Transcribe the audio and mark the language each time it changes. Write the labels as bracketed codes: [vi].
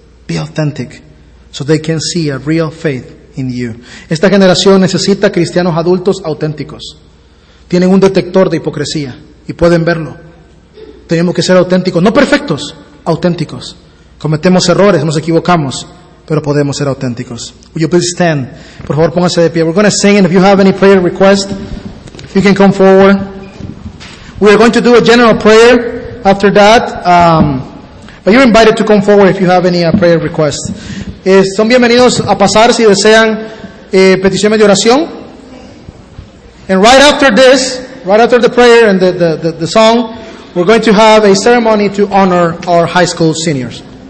[en] Be authentic so they can see a real faith in you. [es] Esta generación necesita cristianos adultos auténticos. Tienen un detector de hipocresía y pueden verlo. Tenemos que ser auténticos, no perfectos, auténticos. Cometemos errores, nos equivocamos, pero podemos ser auténticos. [en] Will you please stand? [es] Por favor, póngase de pie. [en] We're going to sing, and if you have any prayer request, you can come forward. We are going to do a general prayer after that. But you're invited to come forward if you have any prayer request. [es] Son bienvenidos a pasar si desean peticiones de oración. [en] And right after this, right after the prayer and the song, we're going to have a ceremony to honor our high school seniors.